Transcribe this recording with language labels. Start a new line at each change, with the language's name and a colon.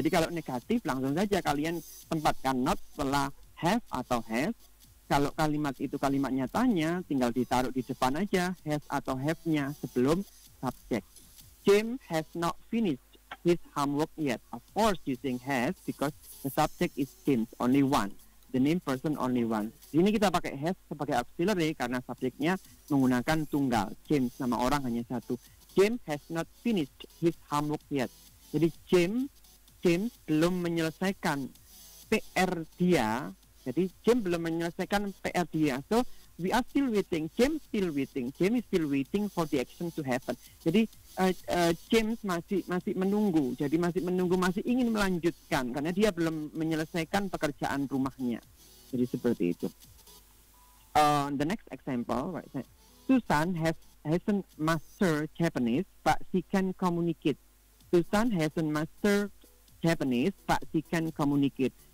Indonesian: Jadi kalau negatif, langsung saja kalian tempatkan not setelah have atau has. Kalau kalimat itu kalimatnya tanya, tinggal ditaruh di depan aja has atau have-nya sebelum subject.
English: Jim has not finished his homework yet. Of course, using has because the subject is James, only one. The name person only one.
Indonesian: Di sini kita pakai has sebagai auxiliary karena subjeknya menggunakan tunggal. James, nama orang hanya satu.
English: Jim has not finished his homework yet.
Indonesian: Jadi Jim belum menyelesaikan PR dia. Jadi Jim belum menyelesaikan PR dia.
English: So we are still waiting. Jim is still waiting for the action to happen.
Indonesian: Jadi James masih menunggu. Jadi masih menunggu, masih ingin melanjutkan karena dia belum menyelesaikan pekerjaan rumahnya. Jadi seperti itu.
English: The next example, right? Susan hasn't mastered Japanese, but she can communicate. Susan hasn't mastered Japanese, but she can communicate.